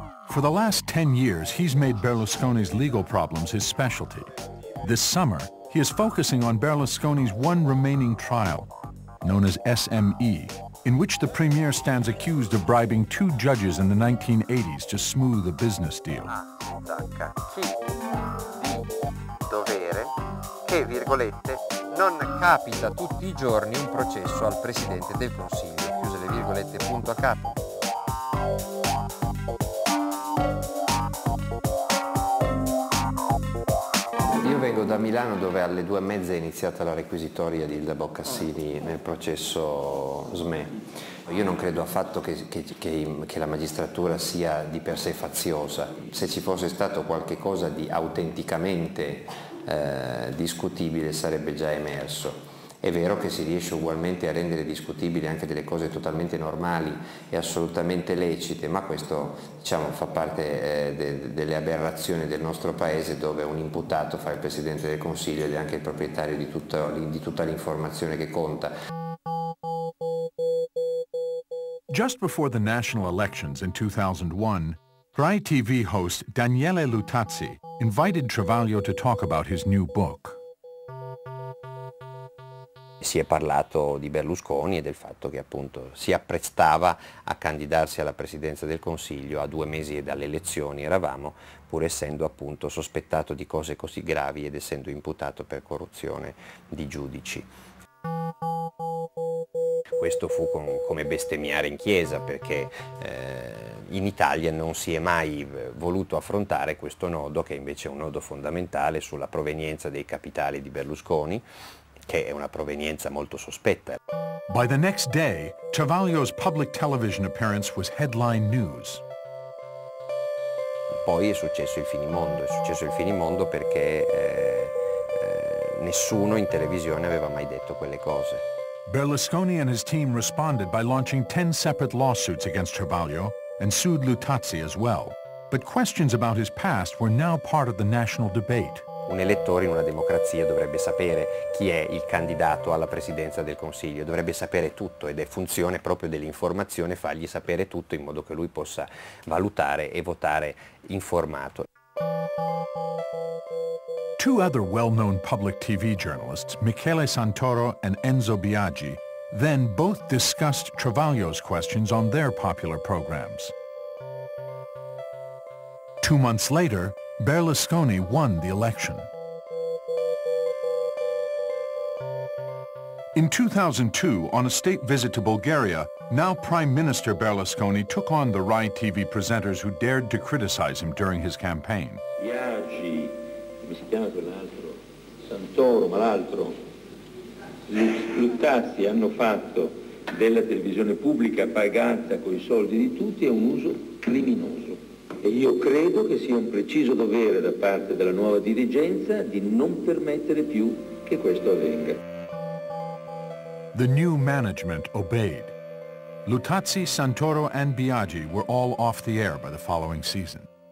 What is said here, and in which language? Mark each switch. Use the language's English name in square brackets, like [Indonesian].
[English] For the last 10 years, he's made Berlusconi's legal problems his specialty. This summer, he is focusing on Berlusconi's one remaining trial, known as SME, in which the premier stands accused of bribing two judges in the 1980s to smooth a business deal. [Italian] Dovere che, virgolette, non capita tutti i giorni un processo al presidente del consiglio. Chiuse le virgolette, punto a capo. Io vengo da Milano, dove alle 2:30 è iniziata la requisitoria di Ilda Boccassini nel processo SME. Io non credo affatto che la magistratura sia di per sé faziosa. Se ci fosse stato qualche cosa di autenticamente discutibile, sarebbe già emerso. È vero che si riesce ugualmente a rendere discutibili anche delle cose totalmente normali e assolutamente lecite, ma questo, diciamo, fa parte delle aberrazioni del nostro paese, dove un imputato fa il presidente del consiglio ed è anche il proprietario di tutta l'informazione che conta. [English] Just before the national elections in 2001, Rai TV host Daniele Lutazzi invited Travaglio to talk about his new book. [Italian] si è parlato di Berlusconi e del fatto che appunto si apprestava a candidarsi alla presidenza del Consiglio, a 2 mesi dalle elezioni eravamo, pur essendo appunto sospettato di cose così gravi ed essendo imputato per corruzione di giudici. Questo fu come bestemmiare in chiesa, perché in Italia non si è mai voluto affrontare questo nodo, che invece è un nodo fondamentale sulla provenienza dei capitali di Berlusconi, che è una provenienza molto sospetta. [English] By the next day, Travaglio's public television appearance was headline news. [Italian] Poi è successo il finimondo, perché nessuno in televisione aveva mai detto quelle cose. [English] Berlusconi and his team responded by launching 10 separate lawsuits against Travaglio and sued Lutazzi as well. But questions about his past were now part of the national debate. [Italian] Un elettore in una democrazia dovrebbe sapere chi è il candidato alla presidenza del Consiglio, dovrebbe sapere tutto, ed è funzione proprio dell'informazione fargli sapere tutto in modo che lui possa valutare e votare informato. [English] Two other well-known public TV journalists, Michele Santoro and Enzo Biaggi, then both discussed Travaglio's questions on their popular programs. 2 months later, Berlusconi won the election. In 2002, on a state visit to Bulgaria, now Prime Minister Berlusconi took on the Rai TV presenters who dared to criticize him during his campaign. [Italian] Biaggi, come si chiama quell'altro? Santoro, ma l'altro? Lutazzi hanno fatto della televisione pubblica pagata con i soldi di tutti è un uso criminoso. E io credo che sia un preciso dovere da parte della nuova dirigenza di non permettere più che questo avvenga. [English] The new management obeyed. Lutazzi, Santoro and Biaggi were all off the air by the following season.